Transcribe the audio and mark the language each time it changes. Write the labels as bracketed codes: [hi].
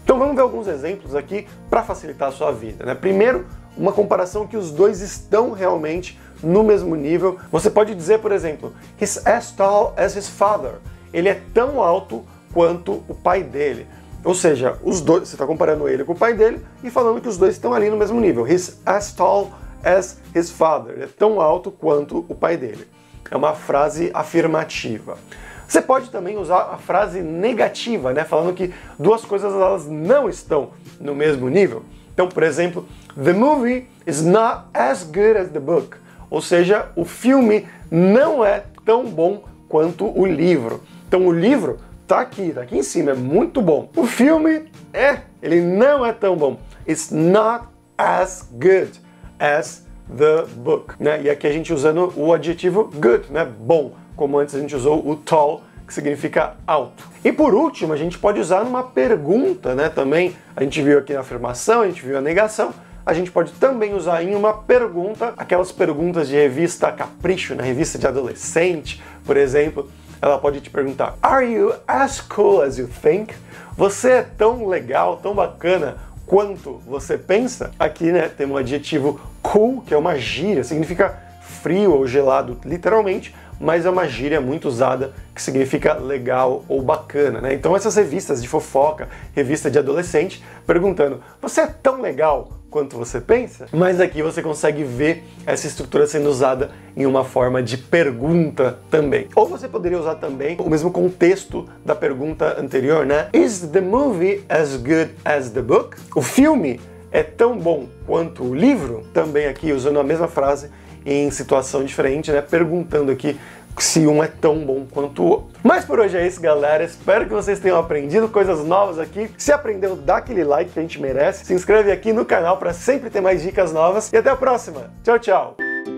[pt] Então vamos ver alguns exemplos aqui para facilitar a sua vida, né? Primeiro, uma comparação que os dois estão realmente no mesmo nível. Você pode dizer, por exemplo, [en] he's as tall as his father. [pt] Ele é tão alto quanto o pai dele. Ou seja, os dois, você está comparando ele com o pai dele e falando que os dois estão ali no mesmo nível. [en] He's as tall as his father. [pt] Ele é tão alto quanto o pai dele. É uma frase afirmativa. Você pode também usar a frase negativa, né? Falando que duas coisas elas não estão no mesmo nível. Então, por exemplo, [en] the movie is not as good as the book. [pt] Ou seja, o filme não é tão bom quanto o livro. Então o livro tá aqui em cima, é muito bom. O filme é, ele não é tão bom. [en] It's not as good as the book, né? [pt] E aqui a gente usando o adjetivo good, né? Bom, como antes a gente usou o tall, que significa alto. E por último, a gente pode usar numa pergunta, né? Também a gente viu aqui na afirmação, a gente viu a negação. A gente pode também usar em uma pergunta, aquelas perguntas de revista Capricho, na revista de adolescente, por exemplo, ela pode te perguntar: [en] Are you as cool as you think? [pt] Você é tão legal, tão bacana quanto você pensa? Aqui, né, tem um adjetivo cool, que é uma gíria, significa frio ou gelado, literalmente, mas é uma gíria muito usada que significa legal ou bacana, né? Então essas revistas de fofoca, revista de adolescente, perguntando: Você é tão legal quanto você pensa? Mas aqui você consegue ver essa estrutura sendo usada em uma forma de pergunta também. Ou você poderia usar também o mesmo contexto da pergunta anterior, né? [en] Is the movie as good as the book? [pt] O filme é tão bom quanto o livro? Também aqui usando a mesma frase em situação diferente, né? Perguntando aqui se um é tão bom quanto o outro. Mas por hoje é isso, galera. Espero que vocês tenham aprendido coisas novas aqui. Se aprendeu, dá aquele like que a gente merece. Se inscreve aqui no canal para sempre ter mais dicas novas. E até a próxima. Tchau, tchau.